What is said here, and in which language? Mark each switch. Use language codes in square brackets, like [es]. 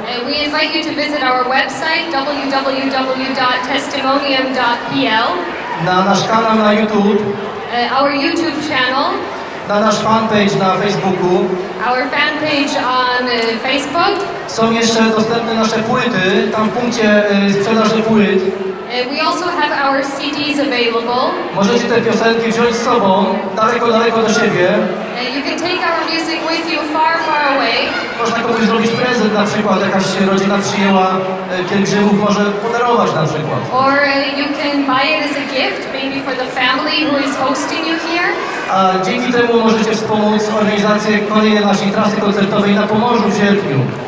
[en] We invite you to visit our website www.testimonium.pl. [pl] Na nasz kanał na YouTube. [en] Our YouTube channel. [pl] Na nasz fanpage na Facebooku. [en] Our fanpage on Facebook. [pl] Są jeszcze dostępne nasze płyty, tam w punkcie sprzedaży płyt. [en] We also have our CDs available. [pl] Możecie te piosenki wziąć z sobą, daleko, daleko do siebie. [en] You can take our music with you far, far away. [pl] Można komuś zrobić prezent na przykład, jakaś rodzina przyjęła pielgrzymów, może podarować na przykład. [en] Or you can buy it as a gift, maybe for the family who is hosting you here. [pl] A dzięki temu możecie wspomóc organizację kolejnej naszej trasy koncertowej na Pomorzu w sierpniu.